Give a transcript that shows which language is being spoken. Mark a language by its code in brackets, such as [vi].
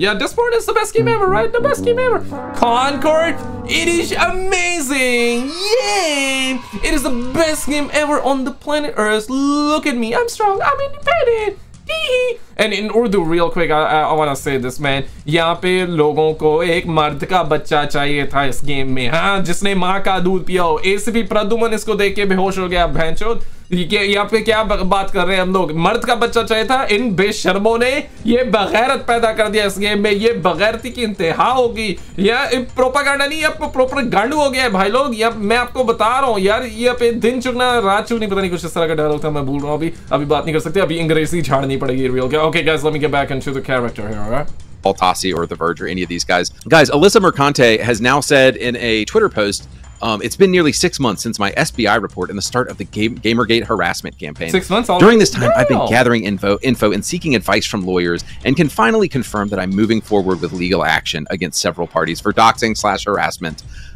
[en] Yeah, Dustborn is the best game ever, right? The best game ever. Concord, it is amazing. Yay! It is the best game ever on the planet Earth. Look at me. I'm strong. I'm independent. And in Urdu, real quick, I want to say this, man. [ur] یہاں پہ لوگوں کو ایک مرد کا بچہ چاہیے تھا اس گیم میں۔ ہاں، جس نے ماں کا دودھ پیا ہو۔ اے سی پی پردھومن اسکو دیکھ کے بے ہوش ہو گیا، بہنچود۔ یہاں پہ کیا بات کر رہے ہیں ہم لوگ؟ مرد کا بچہ چاہیے تھا، ان بےشرموں نے یہ بےغیرت پیدا کر دیا اس گیم میں۔ یہ بےغیرتی کی انتہا ہوگی۔ یا پروپیگنڈا نہیں، اب پروپیگنڈا ہو گیا ہے، بھائی لوگ۔ یا میں آپ کو بتا رہا ہوں، یار، یہ پہ دن چگنا، رات چگنی، پتا نہیں کچھ اس طرح کا ڈائیلاگ تھا، میں بھول رہا ہوں ابھی بات نہیں کر سکتے، ابھی انگریزی جھاڑنی پڑے گی۔ [en] Okay, guys, let me get back into the character here, all right? Paul Tassi or The Verge or any of these guys. Guys, Alyssa Mercante has now said in a Twitter post, it's been nearly 6 months since my SBI report and the start of the Gamergate harassment campaign. 6 months? During this time, I've been gathering info and seeking advice from lawyers and can finally confirm that I'm moving forward with legal action against several parties for doxing slash harassment.